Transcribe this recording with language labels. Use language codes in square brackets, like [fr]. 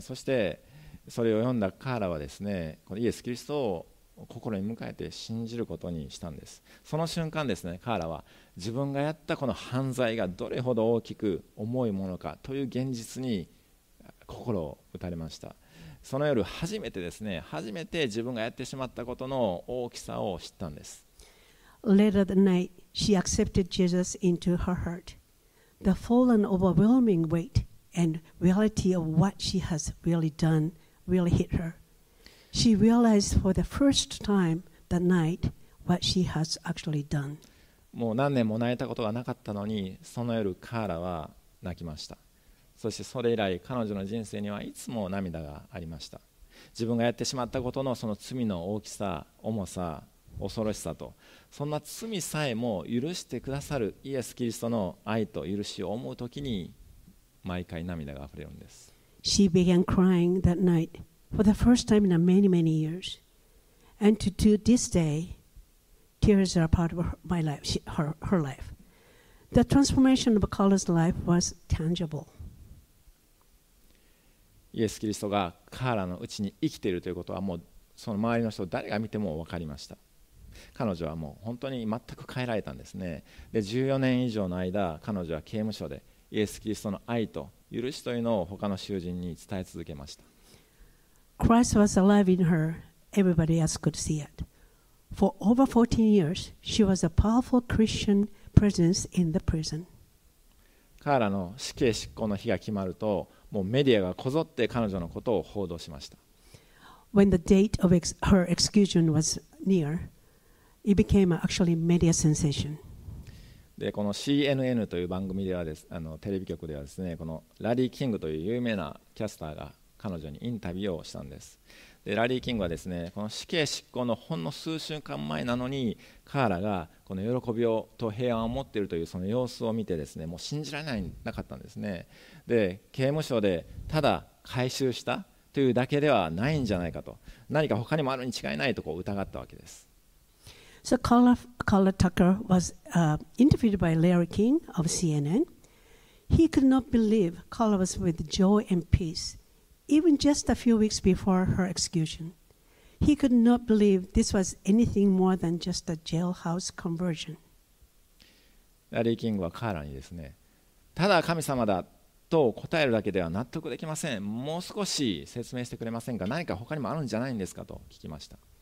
[ja] そしてそれを読んだカーラはですね、このイエス・キリストを心に迎えて信じることにしたんです。その瞬間ですね、カーラは自分がやったこの犯罪がどれほど大きく重いものかという現実に心を打たれました。その夜初めてですね、初めて自分がやってしまったことの大きさを知ったんです。 [en] Later that night, she accepted Jesus into her heart. The full and overwhelming weight and reality of what she has really done really hit her. She realized for the first time that night what she has actually done. [ja] もう何年も泣いたことがなかったのに、その夜カーラは泣きました。そしてそれ以来彼女の人生にはいつも涙がありました。自分がやってしまったことのその罪の大きさ、重さ、恐ろしさと、そんな罪さえも許してくださるイエス・キリストの愛と許しを思うときに毎回涙があふれるんです。 [en] She began crying that night for the first time in many, many years. And to this day, tears are part of my life, her life. The transformation of Carla's life was tangible. [ja] イエス・キリストがカーラのうちに生きているということはもうその周りの人誰が見ても分かりました。彼女はもう本当に全く変えられたんですね。で14年以上の間彼女は刑務所でイエス・キリストの愛と許しというのを他の囚人に伝え続けました。 [en] Christ was alive in her. Everybody else could see it. For over 14 years she was a powerful Christian presence in the prison. [ja] カーラの死刑執行の日が決まるともうメディアがこぞって彼女のことを報道しました。 [en] When the date of her execution was near, it became actually media sensation. [ja] でこの CNN という番組ではです、あのテレビ局ではですね、このラリー・キングという有名なキャスターが彼女にインタビューをしたんです。でラリー・キングはですね、この死刑執行のほんの数週間前なのにカーラがこの喜びをと平安を持っているというその様子を見てですね、もう信じられないなかったんですね。で刑務所でただ回収したというだけではないんじゃないかと、何か他にもあるに違いないとこう疑ったわけです。 [en] So Carla Tucker was interviewed by Larry King of CNN. He could not believe Carla was with joy and peace even just a few weeks before her execution. He could not believe this was anything more than just a jailhouse conversion. [ja] ラリー・キングはカーラにですね、ただ神様だと答えるだけでは納得できません。もう少し説明してくれませんか。何か他にもあるんじゃないんですかと聞きました。